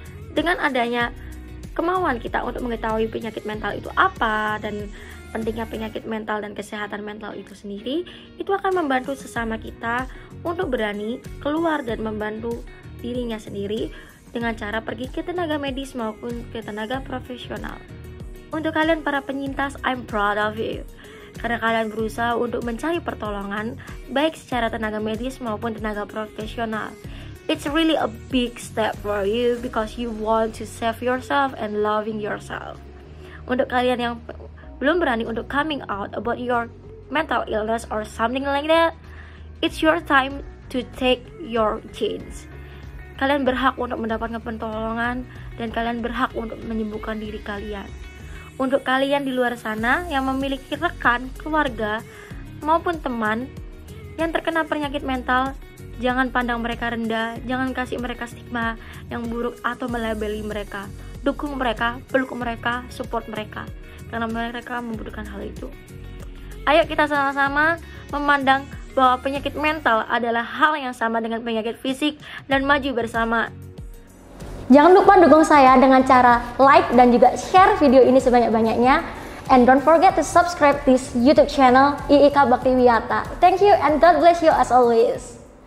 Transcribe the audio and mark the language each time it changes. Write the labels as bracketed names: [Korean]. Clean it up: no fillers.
[Indonesian] Dengan adanya kemauan kita untuk mengetahui penyakit mental itu apa dan pentingnya penyakit mental dan kesehatan mental itu sendiri, itu akan membantu sesama kita untuk berani keluar dan membantu dirinya sendiri dengan cara pergi ke tenaga medis maupun ke tenaga profesional. Untuk kalian para penyintas, [English] I'm proud of you, [Indonesian] karena kalian berusaha untuk mencari pertolongan baik secara tenaga medis maupun tenaga profesional. [English] It's really a big step for you because you want to save yourself and loving yourself. [Indonesian] Untuk kalian yang belum berani untuk [English] coming out about your mental illness or something like that, it's your time to take your chance. [Indonesian] Kalian berhak untuk mendapatkan pertolongan dan kalian berhak untuk menyembuhkan diri kalian. Untuk kalian di luar sana yang memiliki rekan, keluarga, maupun teman yang terkena penyakit mental, jangan pandang mereka rendah, jangan kasih mereka stigma yang buruk atau melabeli mereka. Dukung mereka, peluk mereka, support mereka, karena mereka membutuhkan hal itu. Ayo kita sama-sama memandang bahwa penyakit mental adalah hal yang sama dengan penyakit fisik dan maju bersama. Jangan lupa dukung saya dengan cara like dan juga share video ini sebanyak-banyaknya. [English] And don't forget to subscribe this YouTube channel IIKA Bakti Wiyata. Thank you and God bless you as always.